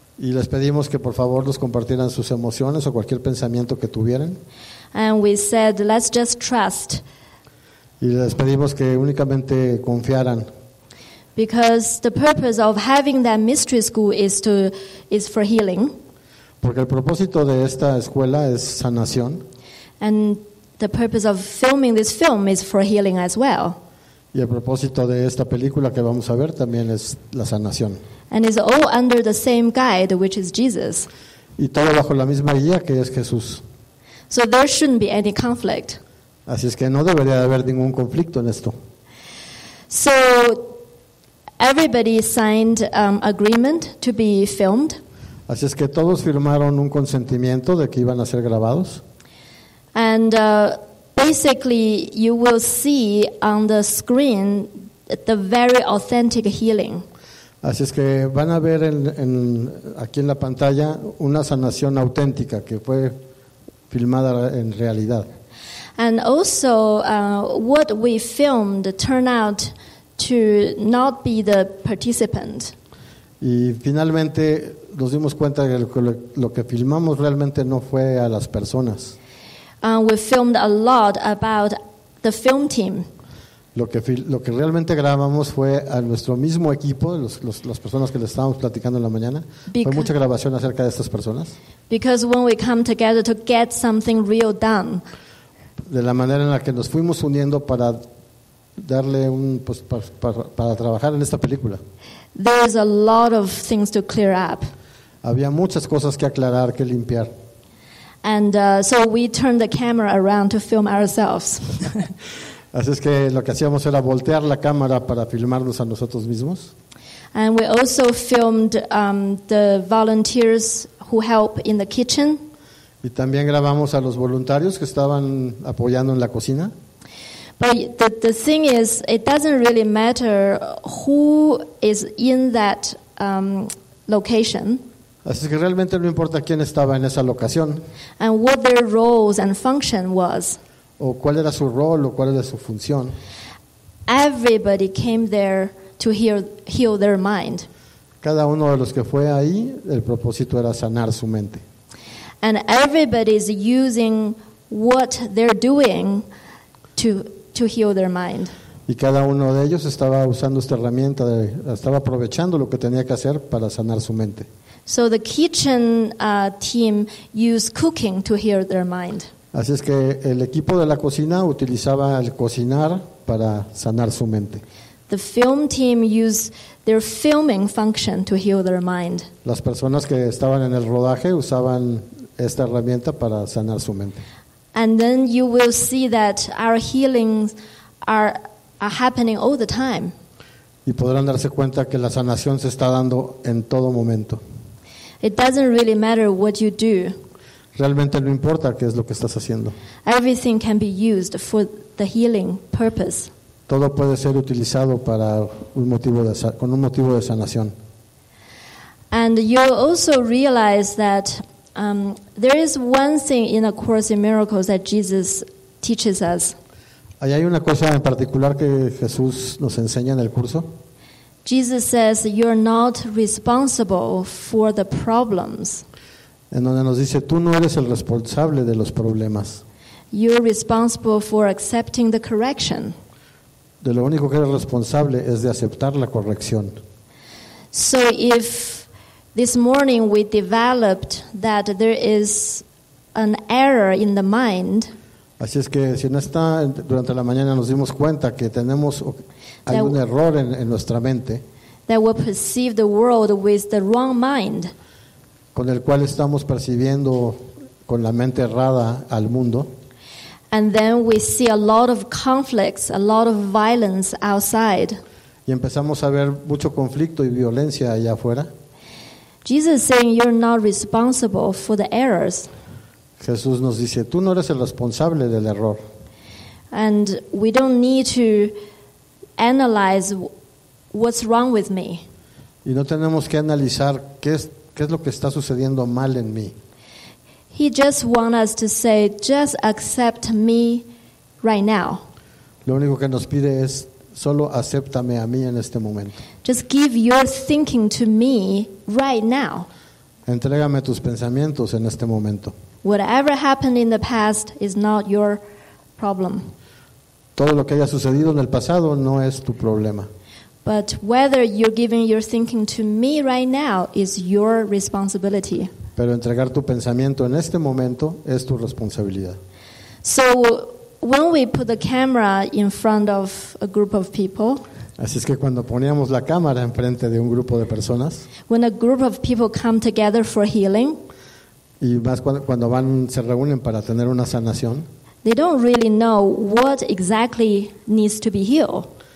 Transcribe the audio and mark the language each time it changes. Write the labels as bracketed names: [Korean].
[Spanish] Y les pedimos que por favor nos compartieran sus emociones o cualquier pensamiento que tuvieran. [English] And we said, let's just trust. [Spanish] Y les pedimos que únicamente confiaran. [English] Because the purpose of having that mystery school is for healing. [Spanish] Porque el propósito de esta escuela es sanación. [English] And the purpose of filming this film is for healing as well. [Spanish] Y el propósito de esta película que vamos a ver también es la sanación. [English] And it's all under the same guide, which is Jesus. [Spanish] Y todo bajo la misma guía que es Jesús. [English] So there shouldn't be any conflict. [Spanish] Así es que no debería haber ningún conflicto en esto. [English] So everybody signed agreement to be filmed. [Spanish] Así es que todos firmaron un consentimiento de que iban a ser grabados. [English] And basically, you will see on the screen the very authentic healing. [Spanish] Así es que van a ver en aquí en la pantalla una sanación auténtica que fue filmada en realidad. [English] And also, what we filmed turned out to not be the participant. [Spanish] Y finalmente nos dimos cuenta que lo que filmamos realmente no fue a las personas. [English] We filmed a lot about the film team. [Spanish] Lo que realmente grabamos fue a nuestro mismo equipo, las personas que le estábamos platicando en la mañana. Fue mucha grabación acerca de estas personas. [English] Because when we come together to get something real done. [Spanish] De la manera en la que nos fuimos uniendo para darle un pues, para trabajar en esta película. [English] There's a lot of things to clear up. [Spanish] Había muchas cosas que aclarar, que limpiar. [English] And so we turned the camera around to film ourselves. [Spanish] Así es que lo que hacíamos era voltear la cámara para filmarnos a nosotros mismos. [English] And we also filmed the volunteers who help in the kitchen. [Spanish] Y también grabamos a los voluntarios que estaban apoyando en la cocina. [English] But the thing is, it doesn't really matter who is in that location. [Spanish] Así que realmente no importa quién estaba en esa locación. [English] And what their roles and function was. [Spanish] O cuál era su rol o cuál era su función. [English] Everybody came there to heal their mind. [Spanish] Cada uno de los que fue ahí, el propósito era sanar su mente. [English] And everybody is using what they're doing to heal their mind. [Spanish] Y cada uno de ellos estaba usando esta herramienta, estaba aprovechando lo que tenía que hacer para sanar su mente. [English] So the kitchen team used cooking to heal their mind. [Spanish] Así es que el equipo de la cocina utilizaba el cocinar para sanar su mente. [English] The film team used their filming function to heal their mind. [Spanish] Las personas que estaban en el rodaje usaban esta herramienta para sanar su mente. [English] And then you will see that our healings are happening all the time. [Spanish] Y podrán darse cuenta que la sanación se está dando en todo momento. [English] It doesn't really matter what you do. [Spanish] Realmente no importa qué es lo que estás haciendo. [English] Everything can be used for the healing purpose. [Spanish] Todo puede ser utilizado para un motivo de sanación. [English] And you also realize that there is one thing in A Course in Miracles that Jesus teaches us. [Spanish] Ahí hay una cosa en particular que Jesús nos enseña en el curso. [English] Jesus says you're not responsible for the problems. [Spanish] En donde nos dice tú no eres el responsable de los problemas. [English] You're responsible for accepting the correction. [Spanish] De lo único que eres responsable es de aceptar la corrección. [English] So if this morning we developed that there is an error in the mind. [Spanish] Así es que si no está durante la mañana nos dimos cuenta que tenemos hay un error en nuestra mente. [English] That we perceive the world with the wrong mind. [Spanish] Con el cual estamos percibiendo con la mente errada al mundo. [English] And then we see a lot of conflicts, a lot of violence outside. [Spanish] Y empezamos a ver mucho conflicto y violencia allá afuera. [English] Jesus saying you're not responsible for the errors. [Spanish] Jesús nos dice, tú no eres el responsable del error. [English] And we don't need to analyze what's wrong with me. [Spanish] Y no tenemos que analizar qué es lo que está sucediendo mal en mí. [English] He just wants us to say, just accept me right now. [Spanish] Lo único que nos pide es, solo acéptame a mí en este momento. [English] Just give your thinking to me right now. [Spanish] Entrégame tus pensamientos en este momento. [English] Whatever happened in the past is not your problem. [Spanish] Todo lo que haya sucedido en el pasado no es tu problema. [English] But whether you're giving your thinking to me right now is your responsibility. [Spanish] Pero entregar tu pensamiento en este momento es tu responsabilidad. [English] So when we put the camera in front of a group of people, [Spanish] así es que cuando poníamos la cámara enfrente de un grupo de personas, [English] when a group of people come together for healing, [Spanish] y más cuando van se reúnen para tener una sanación, [English] they don't really know what exactly needs to be healed.